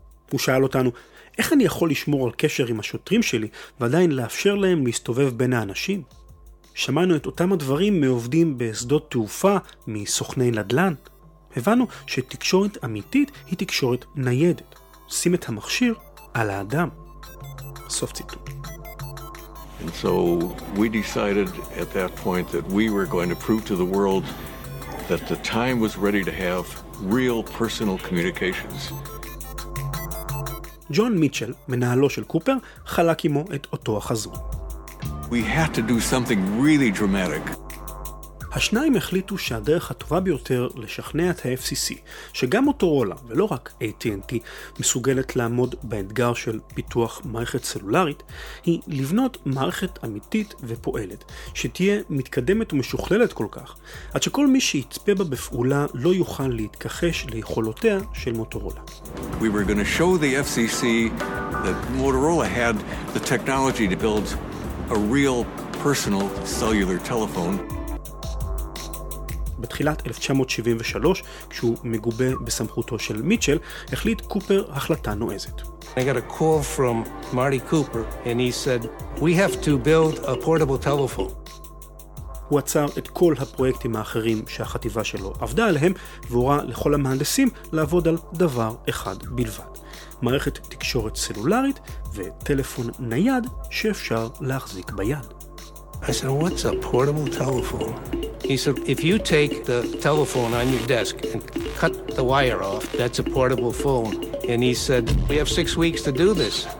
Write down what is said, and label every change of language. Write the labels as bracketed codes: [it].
[he] הוא שאל אותנו, איך אני יכול לשמור על קשר עם השוטרים שלי ועדיין לאפשר להם להסתובב בין האנשים? שמענו את אותם הדברים מעובדים בשדות תעופה מסוכני נדלן. הבנו שתקשורת אמיתית היא תקשורת ניידת. שים את המכשיר על האדם. סוף ציטוט. [en] And so we decided at that point that we were going to prove to the world that the time was ready to have real personal communications. [he] ג'ון מיטשל, מנהלו של קופר, חלק עמו את אותו החזון. [en] We had to do something really dramatic. [he] השניים החליטו שהדרך הטובה ביותר לשכנע את ה-FCC, שגם מוטורולה ולא רק AT&T מסוגלת לעמוד באתגר של פיתוח מערכת סלולרית, היא לבנות מערכת אמיתית ופועלת, שתהיה מתקדמת ומשוכללת כל כך, עד שכל מי שיצפה בה בפעולה לא יוכל להתכחש ליכולותיה של מוטורולה. [en] We were going to show the FCC that Motorola had the technology to build a real personal cellular telephone. [he] בתחילת 1973, כשהוא מגובה בסמכותו של מיטשל, החליט קופר החלטה נועזת. [en] I got a call from Marty Cooper and he said, "We have to build a portable telephone." [he] הוא עצר את כל הפרויקטים האחרים שהחטיבה שלו עבדה עליהם, והורה לכל המהנדסים לעבוד על דבר אחד בלבד. מערכת תקשורת סלולרית וטלפון נייד שאפשר להחזיק ביד. [en] I said, what's a portable telephone? He said, if you take the telephone on your desk and cut the wire off, that's a portable phone. And he said, we have 6 weeks to do this.